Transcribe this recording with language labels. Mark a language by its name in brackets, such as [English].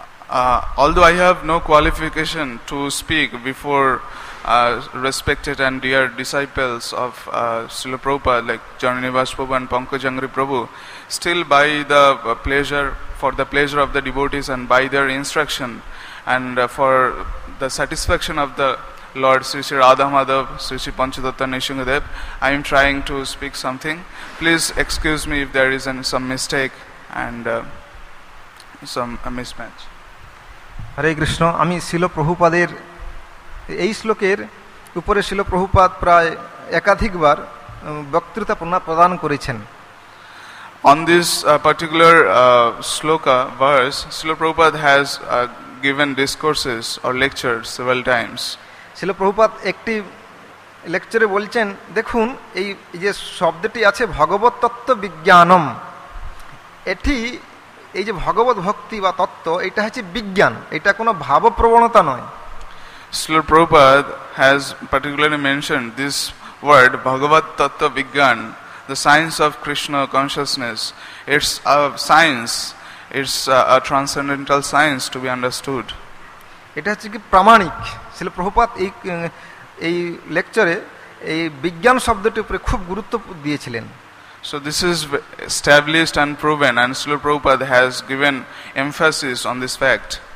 [English] Although I have no qualification to speak before respected and dear disciples of Srila Prabhupada like Jananivas Prabhu and Pankajangri Prabhu, still by the pleasure, for the pleasure of the devotees and by their instruction and for the satisfaction of the Lord Sri Sri Radha Madhav, Sri Sri Panchadatta Nishingadev, I am trying to speak something. Please excuse me if there is some mistake and some mismatch. [Bangla] হরে কৃষ্ণ, আমি শিল প্রভুপাদের এই শ্লোকের উপরে শিল প্রভুপাদ প্রায় একাধিকবার বক্তৃতা প্রদান করেছেন। [English] On this particular shloka verse, Srila Prabhupada has given discourses or lectures several times. [Bangla] Srila Prabhupada ekti lecture e bolchen, dekhun ei je shobdoti ache bhagavat tattva bigyanam, eti এই যে ভগবত ভক্তি বা তত্ত্ব এটা হচ্ছে বিজ্ঞান, এটা কোনো ভাবপ্রবণতা নয়। [English] Srila Prabhupada has particularly mention this word ভগবত তত্ত্ব বিজ্ঞান, the science of Krishna consciousness, it's a science, it's a transcendental science to be understood. [Bangla] এটা হচ্ছে কি প্রামাণিক, শ্রীল প্রভুপাদ এই এই লেকচারে এই বিজ্ঞান শব্দটির উপরে খুব গুরুত্ব দিয়েছিলেন। [English] So this is established and proven, and Srila Prabhupada has given emphasis on this fact.